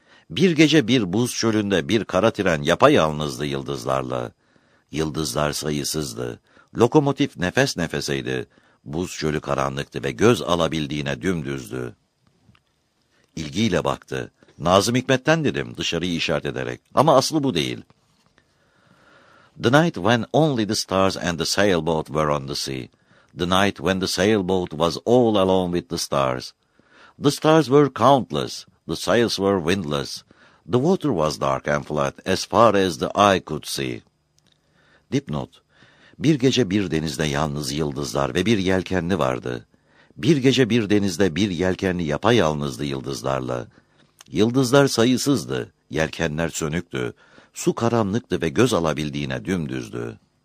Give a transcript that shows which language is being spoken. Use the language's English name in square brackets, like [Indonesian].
[Turkish] Bir gece bir buz çölünde bir kara tren yapayalnızdı yıldızlarla. Yıldızlar sayısızdı. Lokomotif nefes nefeseydi. Buz çölü karanlıktı ve göz alabildiğine dümdüzdü. İlgiyle baktı. Nazım Hikmet'ten dedim dışarıyı işaret ederek. Ama aslı bu değil. [English] The night when only the stars and the sailboat were on the sea. The night when the sailboat was all alone with the stars. The stars were countless, the sails were windless. The water was dark and flat, as far as the eye could see. [Turkish] Dipnot. Bir gece bir denizde yalnız yıldızlar ve bir yelkenli vardı. Bir gece bir denizde bir yelkenli yapayalnızdı yıldızlarla. Yıldızlar sayısızdı, yelkenler sönüktü. Su karanlıktı ve göz alabildiğine dümdüzdü.